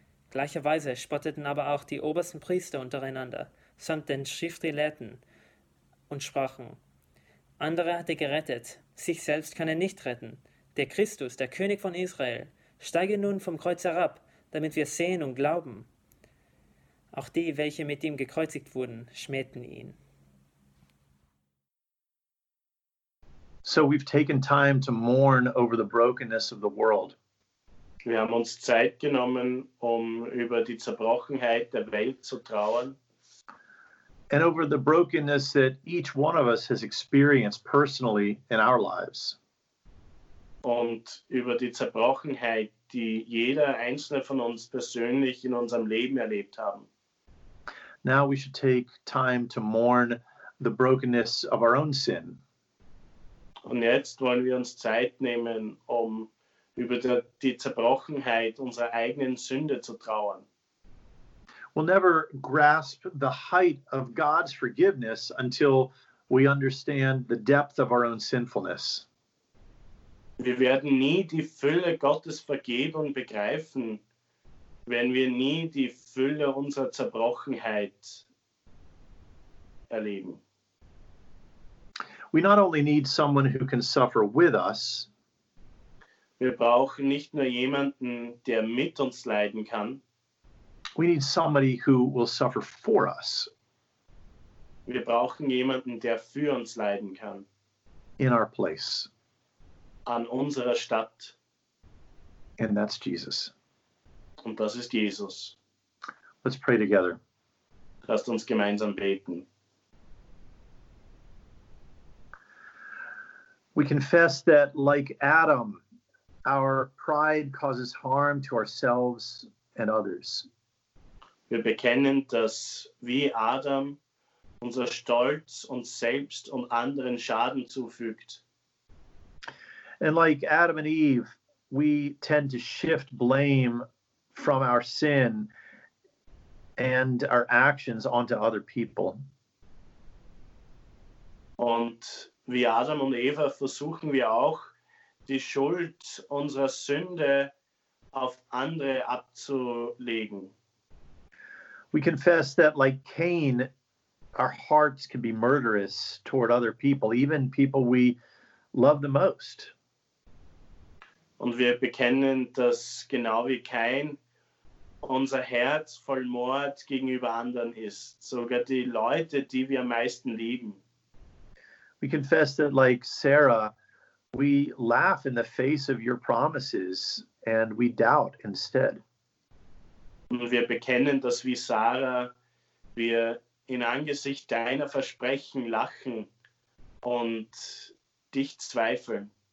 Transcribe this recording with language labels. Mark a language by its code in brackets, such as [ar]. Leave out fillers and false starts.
[de] Gleicherweise spotteten aber auch die obersten Priester untereinander, samt den Schriftgelehrten, und sprachen, Andere hat er gerettet, sich selbst kann er nicht retten. Der Christus, der König von Israel, steige nun vom Kreuz herab, damit wir sehen und glauben. Auch die, welche mit ihm gekreuzigt wurden, schmähten ihn. [en] So we've taken time to mourn over the brokenness of the world. [de] Wir haben uns Zeit genommen, um über die Zerbrochenheit der Welt zu trauern. [en] And over the brokenness that each one of us has experienced personally in our lives. [de] Und über die Zerbrochenheit, die jeder einzelne von uns persönlich in unserem Leben erlebt haben. [en] Now we should take time to mourn the brokenness of our own sin. [de] Und jetzt wollen wir uns Zeit nehmen, um über die Zerbrochenheit unserer eigenen Sünde zu trauern. [en] We'll never grasp the height of God's forgiveness until we understand the depth of our own sinfulness. [de] Wir werden nie die Fülle Gottes Vergebung begreifen, wenn wir nie die Fülle unserer Zerbrochenheit erleben. [en] We not only need someone who can suffer with us. [de] Wir brauchen nicht nur jemanden, der mit uns leiden kann. [en] We need somebody who will suffer for us. [de] Wir brauchen jemanden, der für uns leiden kann. [en] In our place. [de] An unserer Stadt. [en] And that's Jesus. [de] Und das ist Jesus. [en] Let's pray together. [de] Lasst uns gemeinsam beten. [en] We confess that like Adam, our pride causes harm to ourselves and others. [de] Wir bekennen, dass wie Adam unser Stolz uns selbst und anderen Schaden zufügt. [en] And like Adam and Eve, we tend to shift blame from our sin and our actions onto other people. [de] Und wie Adam und Eva versuchen wir auch, die Schuld unserer Sünde auf andere abzulegen. [en] We confess that like Cain, our hearts can be murderous toward other people, even people we love the most. [de] Und wir bekennen, dass genau wie Cain, unser Herz voll Mord gegenüber anderen ist, sogar die Leute, die wir am meisten lieben. [en] We confess that like Sarah, we laugh in the face of your promises and we doubt instead. [de] Wir bekennen, dass wie Sarah, wir in Angesicht deiner Versprechen lachen und dich zweifeln.